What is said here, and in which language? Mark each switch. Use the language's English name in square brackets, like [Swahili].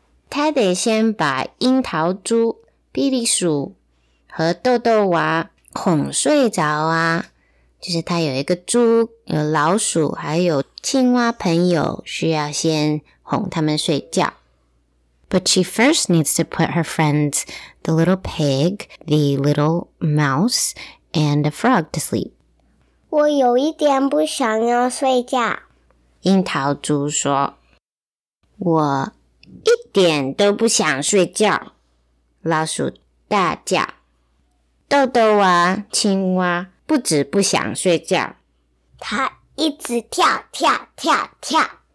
[Chinese] 他得先把樱桃猪、比利鼠和豆豆娃哄睡着啊。就是他有一个猪、有老鼠、还有青蛙朋友，需要先哄他们睡觉。 [English] But she first needs to put her friends, the little pig, the little mouse, and the frog to sleep. [Chinese] 我有一点不想要睡觉。樱桃猪说，我一点都不想睡觉。老鼠大叫。豆豆娃、青蛙不止不想睡觉。他一直跳跳跳跳。